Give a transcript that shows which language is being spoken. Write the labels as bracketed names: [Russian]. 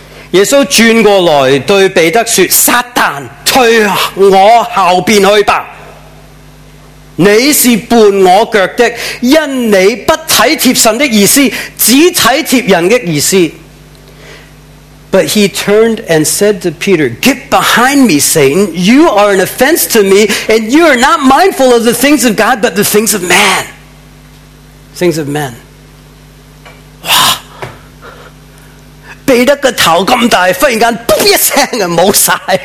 [Chinese] 耶稣转过来对彼得说：撒旦，退我后边去吧！你是绊我脚的，因你不体贴神的意思，只体贴人的意思。 [English] But he turned and said to Peter, "Get behind me, Satan. You are an offense to me, and you are not mindful of the things of God, but the things of man." Things of men. Wow. [Chinese] 彼得的头这么大，忽然间，嘣一声，没晒。